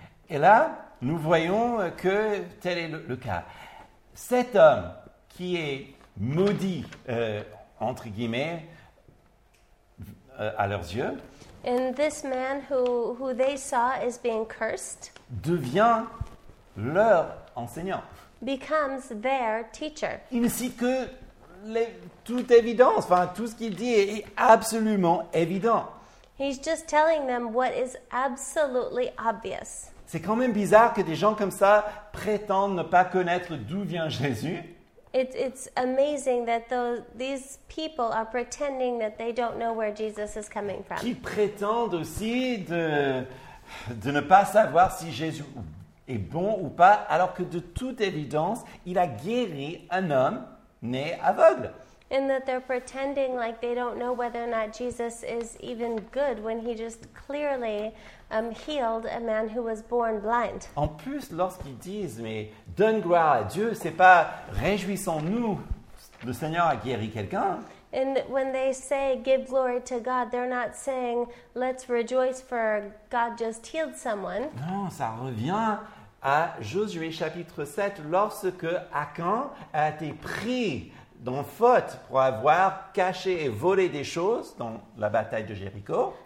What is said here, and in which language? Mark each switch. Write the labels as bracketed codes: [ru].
[fr] Et là, nous voyons que tel est le cas. Cet homme qui est maudit entre guillemets à leurs yeux. [en] And this man who they saw is being cursed. [fr] Devient leur enseignant. [en] Becomes their teacher. [fr] Il ne cite que toute évidence, enfin tout ce qu'il dit est absolument évident. [en] He's just telling them what is absolutely obvious. [fr] C'est quand même bizarre que des gens comme ça prétendent ne pas connaître d'où vient Jésus. [en] It's amazing that these people are pretending that they don't know where Jesus is coming from. [fr] Qui prétendent aussi de ne pas savoir si Jésus est bon ou pas, alors que de toute évidence, il a guéri un homme né aveugle. [en] And that they're pretending like they don't know whether or not Jesus is even good when he just clearly healed a man who was born blind. [fr] En plus, lorsqu'ils disent, mais donne gloire à Dieu, c'est pas réjouissons-nous, le Seigneur a guéri quelqu'un. [en] And when they say give glory to God, they're not saying let's rejoice for God just healed someone. [fr] Non, ça revient à Josué chapitre 7, lorsque Achan a été pris dans faute pour avoir caché et volé des choses dans la bataille de Jéricho.